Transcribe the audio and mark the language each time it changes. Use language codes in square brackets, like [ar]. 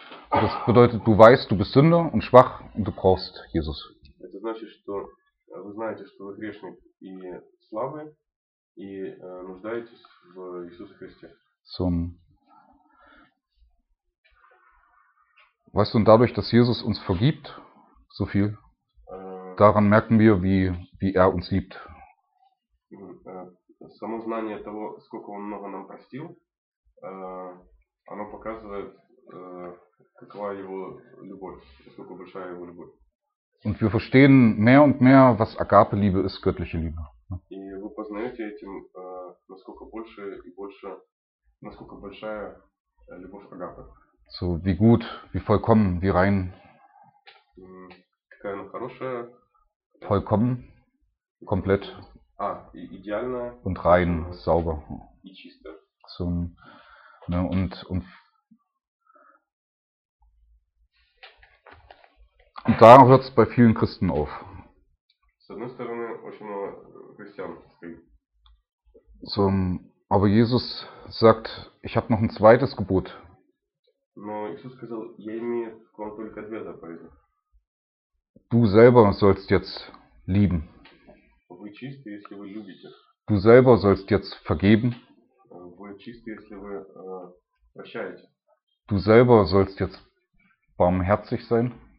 [de] Das bedeutet, du weißt, du bist Sünder und schwach und du brauchst Jesus. [ru] Это значит, что вы знаете, что вы грешник и слабый, и нуждаетесь в Иисусе Христе. [de] Weißt du, und dadurch, dass Jesus uns vergibt, so viel, daran merken wir, wie er uns liebt. [ru] Само знание того, сколько он много нам простил, оно показывает, какова его любовь, сколько большая его любовь. [de] Und wir verstehen mehr und mehr, was Agape-Liebe ist, göttliche Liebe. [ru] И вы познаете этим, насколько больше и больше, насколько большая любовь Агапы. [de] So, wie gut, wie vollkommen, wie rein. [ru] Какая она хорошая. [de] Vollkommen, komplett. [ru] Идеально. [de] Und rein, sauber. [ru] И чисто. [de] So, ne, und da hört es bei vielen Christen auf. [ru] С одной стороны, очень много христиан стоит. [de] So, aber Jesus sagt, ich habe noch ein zweites Gebot. [ru] Но Иисус сказал, я имею к вам только две заповеди. [de] Du selber sollst jetzt lieben. [ru] Вы чисты, если вы любите. [de] Du selber sollst jetzt vergeben. [ru] Вы чисты, если вы прощаете. [de] Du selber sollst jetzt barmherzig sein.